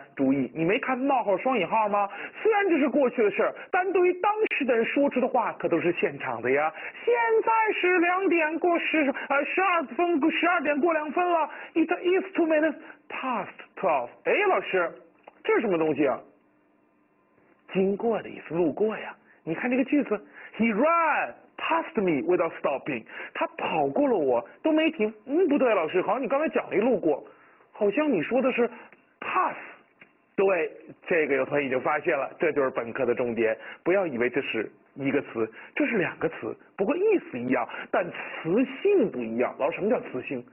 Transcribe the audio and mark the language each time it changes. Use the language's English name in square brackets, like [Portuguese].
[Chinese] 注意，你没看冒号双引号吗？虽然这是过去的事，但对于当时的人说出的话可都是现场的呀。现在是12:02了。 [English] It is 2:12。 [Chinese] 哎，老师，这是什么东西啊？经过的意思，路过呀。你看这个句子 [English] ，He ran past me without stopping。 [Chinese] 他跑过了我，都没停。嗯，不对，老师，好像你刚才讲了一路过，好像你说的是 pass。对，这个有同学已经发现了，这就是本课的重点。不要以为这是一个词，这是两个词，不过意思一样，但词性不一样。老师，什么叫词性？